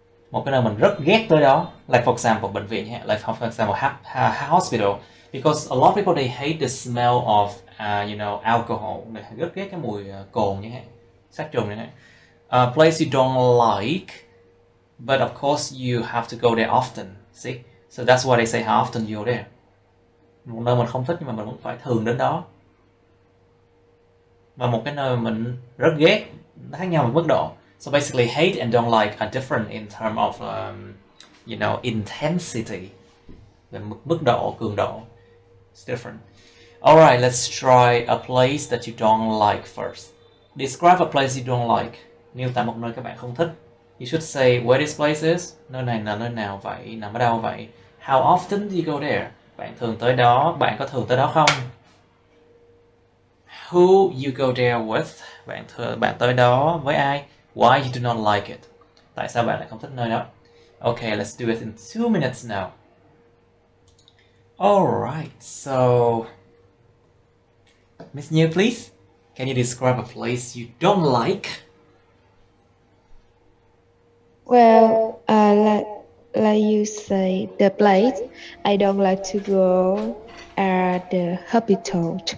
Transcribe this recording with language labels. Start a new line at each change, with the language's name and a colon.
Vietnamese: Một cái nơi mình rất ghét tới đó,
English: like for example
Vietnamese: bệnh viện,
English: like for example hospital, because a lot of people they hate the smell of you know alcohol, they
Vietnamese: rất ghét cái mùi cồn như thế,
English: sát trùng như thế. A place you don't like, but of course you have to go there often. See, so that's why they say how often you go there.
Vietnamese: Một nơi mình không thích nhưng mà mình vẫn phải thường đến đó. và một cái nơi mình rất ghét, khác nhau một mức độ.
English: So basically hate and don't like are different in terms of you know, intensity, the
Vietnamese: mức độ, cường độ.
English: It's different. Alright, let's try a place that you don't like first. Describe a place you don't like.
Vietnamese: Miêu tả một nơi các bạn không thích.
English: You should say where this place is.
Vietnamese: Nơi này là nơi nào vậy? Nằm ở đâu vậy?
English: How often do you go there?
Vietnamese: Bạn thường tới đó, bạn có thường tới đó không?
English: Who you go there with?
Vietnamese: Bạn tới đó với ai?
English: Why you do not like it?
Vietnamese: Tại sao bạn lại không thích nơi đó?
English: Okay, let's do it in 2 minutes now. Alright, so Miss New, please, can you describe a place you don't like? Well, like you say, the place I don't like to go at the hospital.